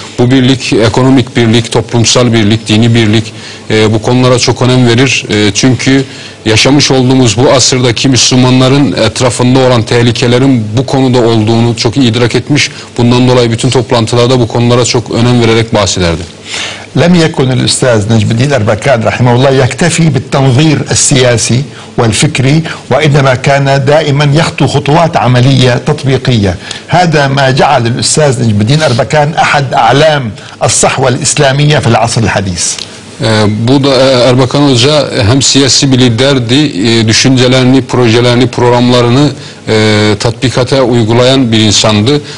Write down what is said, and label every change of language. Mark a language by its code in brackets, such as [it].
[tr] Bu birlik, ekonomik birlik, toplumsal birlik, dini birlik bu konulara çok önem verir. Çünkü yaşamış olduğumuz bu asırdaki Müslümanların etrafında olan tehlikelerin bu konuda olduğunu çok iyi idrak etmiş. Bundan dolayı bütün toplantılarda bu konulara çok önem vererek bahsederdi. [ar] لم يكن الأستاذ نجم الدين أربكان رحمه الله يكتفي بالتنظير السياسي والفكري وإنما كان دائما يخطو خطوات عملية تطبيقية هذا ما جعل الأستاذ نجم الدين أربكان أحد أعلام الصحوة الإسلامية في العصر الحديث [tr] Bu da Erbakan Hoca hem siyasi bir liderdi, düşüncelerini, projelerini, programlarını tatbikata uygulayan bir insandı.